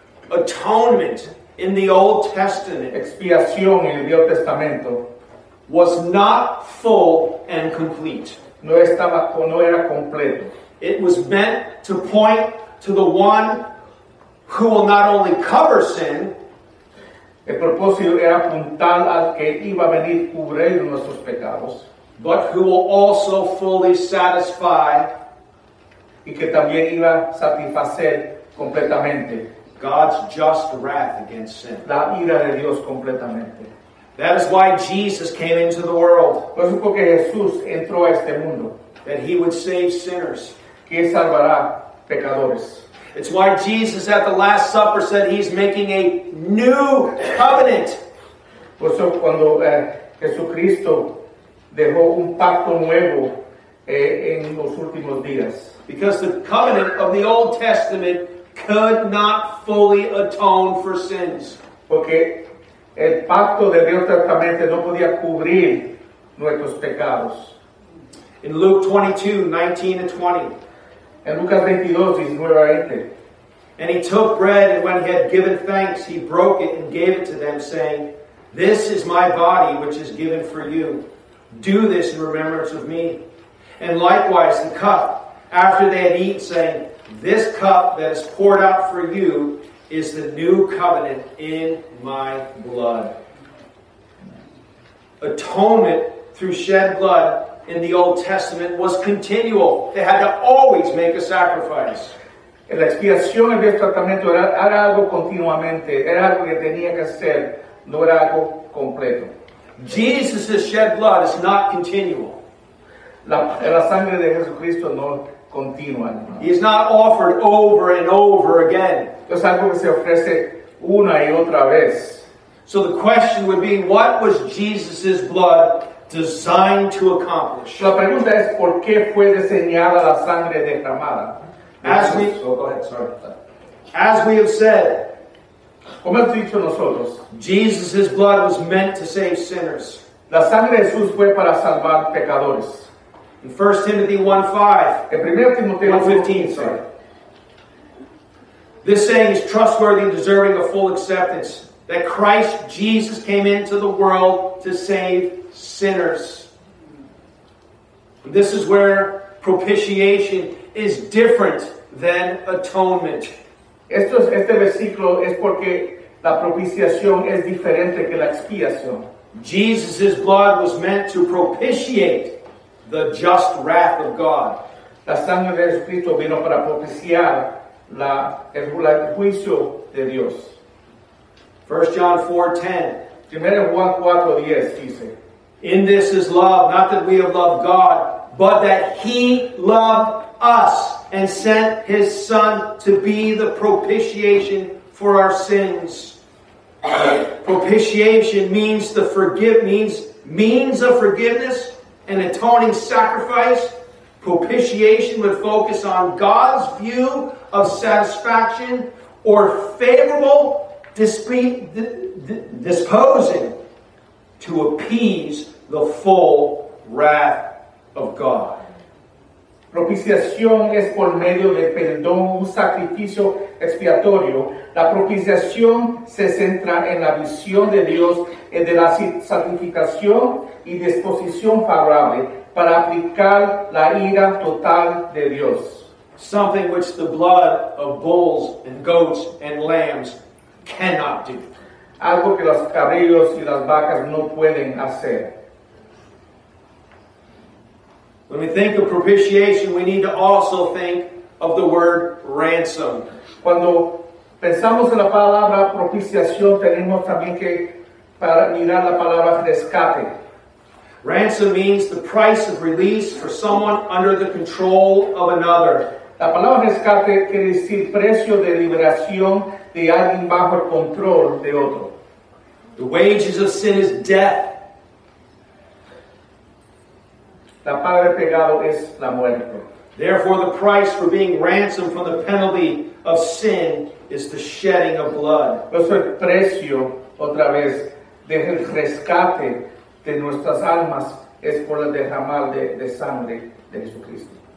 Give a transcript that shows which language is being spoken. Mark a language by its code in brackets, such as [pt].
[en] Atonement in the Old Testament, [es] expiación en el Viejo Testamento, [en] was not full and complete. [es] No estaba, no era completo. [en] It was meant to point to the one who will not only cover sin. [es] El propósito era apuntar al que iba a venir cubrir nuestros pecados, [en] but who will also fully satisfy, [es] y que también iba a satisfacer completamente, [en] God's just wrath against sin. [es] La ira de Dios completamente. [en] That is why Jesus came into the world. [es] Por eso porque Jesús entró a este mundo. [en] That he would save sinners. [es] Que salvará pecadores. [en] It's why Jesus at the Last Supper said he's making a new covenant. [es] Por eso cuando Jesucristo dejó un pacto nuevo en los últimos días. [en] Because the covenant of the Old Testament could not fully atone for sins. [es] Porque el pacto de Dios tratamente no podía cubrir nuestros pecados. [en] In Luke 22:19-20. [es] En Lucas 22:19-20. [en] "And he took bread, and when he had given thanks, he broke it and gave it to them, saying, This is my body, which is given for you. Do this in remembrance of me. And likewise the cup, after they had eaten, saying, This cup that is poured out for you is the new covenant in my blood." Atonement through shed blood in the Old Testament was continual. They had to always make a sacrifice. [es] La expiación en el tratamiento era algo continuamente. Era algo que tenía que hacer. No era algo completo. [en] Jesus' shed blood is not continual. [es] La sangre de Jesucristo no continua. [en] He is not offered over and over again. [es] Es algo que se ofrece una y otra vez. [en] So the question would be, what was Jesus' blood designed to accomplish? [es] La pregunta es, ¿por qué fue diseñada la sangre derramada? [en] As we, oh, go ahead, sorry. As we have said, [es] como hemos dicho nosotros, [en] Jesus' blood was meant to save sinners. [es] La sangre de Jesús fue para salvar pecadores. [en] In 1 Timothy 1:5, [es] en 1 Timoteo [en] 1:15, sorry. This saying is trustworthy and deserving of full acceptance, that Christ Jesus came into the world to save sinners. This is where propitiation is different than atonement. [es] Este versículo es porque la propiciación es diferente que la expiación. [en] Jesus' blood was meant to propitiate the just wrath of God. [es] La sangre de Jesucristo vino para propiciar el juicio de Dios. [en] 1 John 4:10. [es] Primero Juan 4:10 dice, [en] in this is love, not that we have loved God, but that He loved us and sent His Son to be the propitiation for our sins. Propitiation means the means of forgiveness and atoning sacrifice. Propitiation would focus on God's view of satisfaction or favorable disposing to appease the full wrath of God. [es] Propiciación es por medio de perdón, un sacrificio expiatorio. La propiciación se centra en la visión de Dios y de la santificación y disposición favorable para aplicar la ira total de Dios. [en] Something which the blood of bulls and goats and lambs cannot do. [es] Algo que los cabellos y las vacas no pueden hacer. [en] When we think of propitiation, we need to also think of the word ransom. [es] Cuando pensamos en la palabra propiciación, tenemos también que mirar la palabra rescate. [en] Ransom means the price of release for someone under the control of another. [es] La palabra rescate quiere decir precio de liberación de alguien bajo el control de otro. [en] The wages of sin is death. [es] La paga del pecado es la muerte. [en] Therefore, the price for being ransomed from the penalty of sin is the shedding of blood. [es] Eso es precio, otra vez, del rescate de nuestras almas es por el derramar de sangre de Jesucristo.